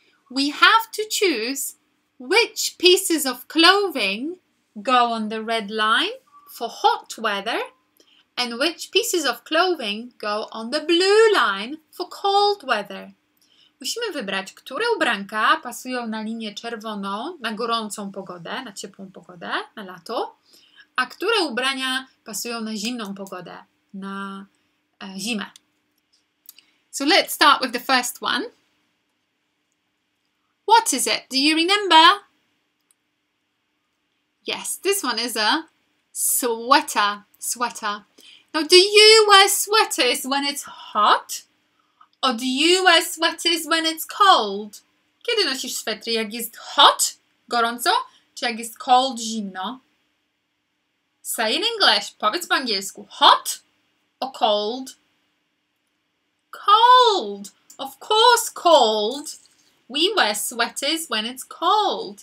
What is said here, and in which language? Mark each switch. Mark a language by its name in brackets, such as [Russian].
[English] We have to choose which pieces of clothing go on the red line for hot weather and which pieces of clothing go on the blue line for cold weather. [Polish] Musimy wybrać, które ubranka pasują na linię czerwoną, na gorącą pogodę, na ciepłą pogodę, na lato, a które ubrania pasują na zimną pogodę, na zimę. [English] So let's start with the first one. What is it? Do you remember? Yes, this one is a sweater. Sweater. Now, do you wear sweaters when it's hot? Or do you wear sweaters when it's cold? [Polish] Kiedy nosisz swetry? Jak jest hot, gorąco? Czy jak jest cold, zimno? [English] Say in English. [Polish] Powiedz po angielsku. [English] Hot or cold? Cold. Of course cold. We wear sweaters when it's cold.